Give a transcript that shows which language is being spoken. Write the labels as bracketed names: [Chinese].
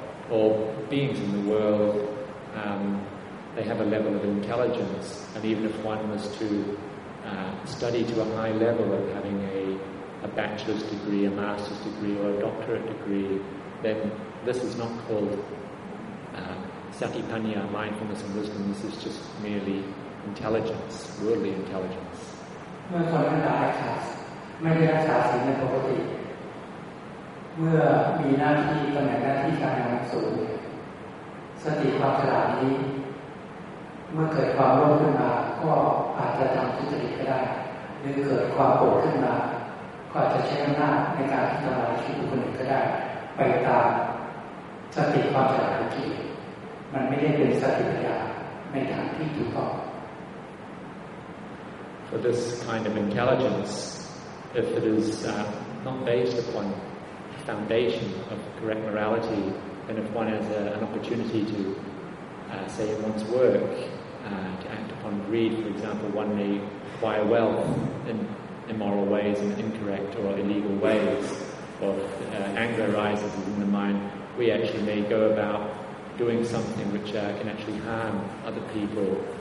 [English] Or beings in the world, they have a level of intelligence, and even if one was to study to a high level of having a bachelor's degree, a master's degree, or a doctorate degree, then this is not called satipanya, mindfulness and wisdom. This is just merely intelligence, worldly intelligence. When someone has high class, may they have class in the poverty. [Thai] เมื่อมีหน้าที่ตำแหน่งหน้าที่การงานสูงสติความฉลาดนี้เมื่อเกิดความโลภขึ้นมาก็อาจจะทำทุจริตก็ได้หรือเกิดความโกรธขึ้นมาก็อาจจะใช้อำนาจในการที่ทำลายชีวิตคนอื่นก็ได้ไปตามสติความฉลาดที่มันไม่ได้เป็นสติปัญญาในทางที่ถูกต้อง [English] For this kind of intelligence, if it is not based uponfoundation of correct morality, and if one has an opportunity to say in one's work, to act upon greed, for example, one may acquire wealth in immoral ways, in incorrect or illegal ways, or anger arises in the mind, we actually may go about doing something which can actually harm other people.